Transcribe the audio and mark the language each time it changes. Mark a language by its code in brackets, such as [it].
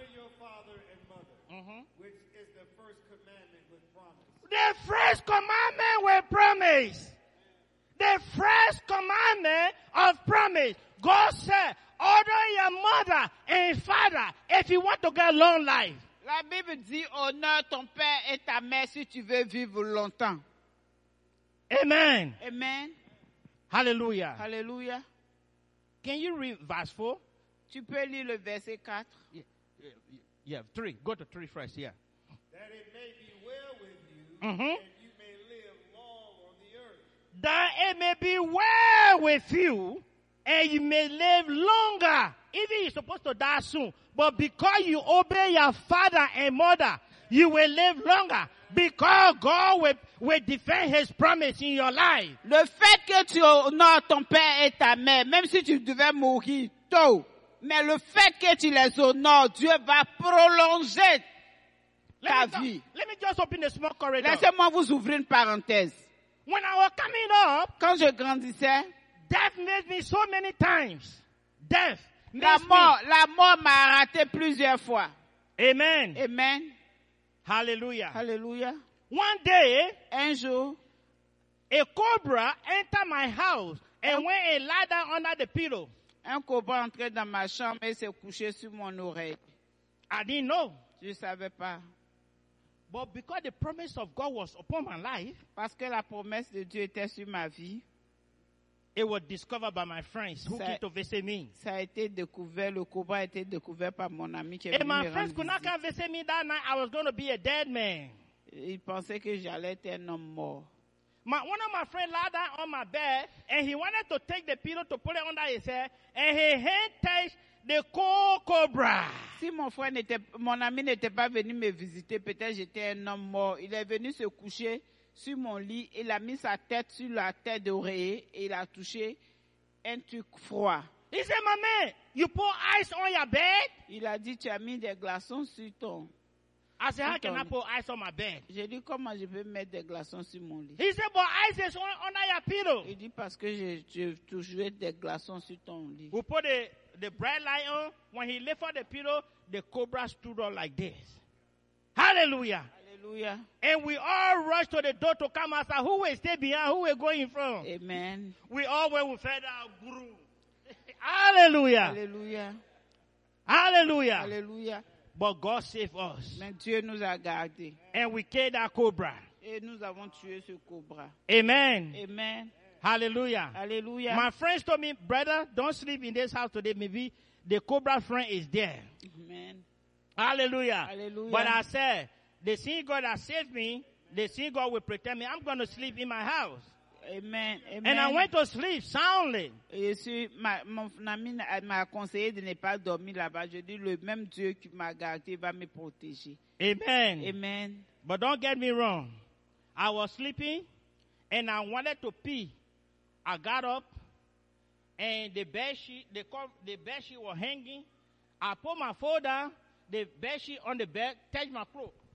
[en] honor your father and mother, which is the first commandment with promise. The first commandment with promise. The first commandment of promise. God said, honor your mother and father if you want to get a long life. [fr] La Bible dit, honore ton père et ta mère si tu veux vivre longtemps. Amen. Amen. Hallelujah. Hallelujah. [en] Can you read verse 4? [fr] Tu peux lire le verset 4? [en] Yeah, 3. Go to 3 first, yeah. That it may be well with you, and you may live long on the earth. That it may be well with you, and you may live longer. Even you're supposed to die soon. But because you obey your father and mother, you will live longer. Because God will defend his promise in your life. [fr] Le fait que tu honores ton père et ta mère, même si tu devais mourir tôt, mais le fait que tu les honores, Dieu va prolonger ta vie. [en] Let me just open a small corridor. [fr] Laissez-moi vous ouvrir une parenthèse. [en] When I was coming up, [fr] quand je grandissais, [en] death made me so many times. Death. [fr] La mort m'a arrêté plusieurs fois. Amen. Amen. Hallelujah. Hallelujah. [en] One day, [fr] un jour, [en] a cobra entered my house and went and lay down under the pillow. [fr] Un cobra entrait dans ma chambre et s'est couché sur mon oreille. [en] I didn't know. [fr] Je savais pas. [en] But because the promise of God was upon my life, [fr] parce que la promesse de Dieu était sur ma vie, [en] it was discovered by my friends who came to visit me. [fr] Ça a été découvert, le cobra a été découvert par mon ami qui est venu me rendre. [en] And my friends could not come visit me that night. I was going to be a dead man. [fr] Ils pensaient que j'allais être un homme mort. [en] One of my friends lay down on my bed and he wanted to take the pillow to put it under his head and his hand touched the cold cobra. [fr] Si mon ami n'était pas venu me visiter, peut-être j'étais un homme mort. Il est venu se coucher sur mon lit, il a mis sa tête sur la tête d'oreiller et il a touché un truc froid. [en] He said, "Maman, you put ice on your bed?" [fr] Il a dit, tu as mis des glaçons sur ton. [en] I said, "How can I put ice on my bed?" [fr] J'ai dit, comment je peux mettre des glaçons sur mon lit? [en] He said, "But ice is on your pillow." [fr] Il dit, parce que j'ai touché des glaçons sur ton lit. [en] We put the bright light on. When he lift up the pillow, the cobra stood up like this. Hallelujah. Hallelujah. And we all rushed to the door to come outside. Who will stay behind? Who will go in front? Amen. We all went with feather guru. Hallelujah. Hallelujah. Hallelujah. Hallelujah. But God saved us. [fr] Mais Dieu nous a gardé. [en] And we killed that cobra. [fr] Et nous avons tué ce cobra. Amen. Amen. Hallelujah. Hallelujah. [en] My friends told me, brother, don't sleep in this house today. Maybe the cobra friend is there. Amen. Hallelujah. Hallelujah. But I said, the same God that saved me, the same God will protect me. I'm going to sleep in my house. Amen. Amen. And I went to sleep soundly. [fr] Je suis, mon ami m'a conseillé de ne pas dormir là-bas. Je dis, le même Dieu qui m'a gardé va me protéger. Amen. Amen. [en] But don't get me wrong. I was sleeping and I wanted to pee. I got up and the bed sheet was hanging. I put my phone down, the bed sheet on the bed, touched my clothes.